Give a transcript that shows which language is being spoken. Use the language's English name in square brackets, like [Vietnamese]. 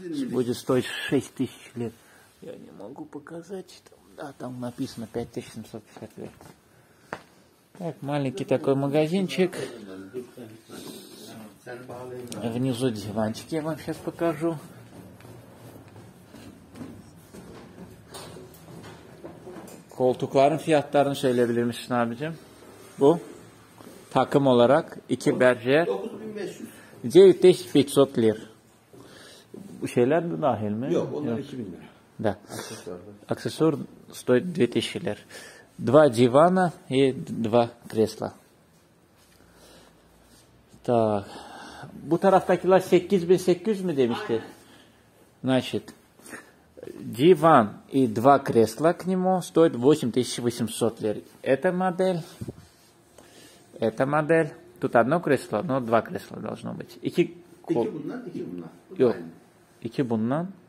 [Russian] Будет стоить 6 тысяч лир. Я не могу показать. Там, да, там написано 5750 лир. Так, маленький такой магазинчик. Внизу диванчики я вам сейчас покажу. [Turkish] Koltukların fiyatlarını söyleyebilir misin abicim? Bu? Takım olarak 2 berjer 9500 lir. Bu şeyler de dahil mi? Yok, onlar 2000 lira. [Russian] Да. Aksesuar стоит 2000 lir. 2 дивана и 2 кресла. Так. [Turkish] Bu taraftakiler 8800 mi demişti? [Russian] Значит, диван и 2 кресла к нему стоит 8800 лир. Эта модель. Эта модель. Тут одно кресло, но два кресла должно быть. [Turkish] İki bundan, iki bundan. Yok. İki bundan.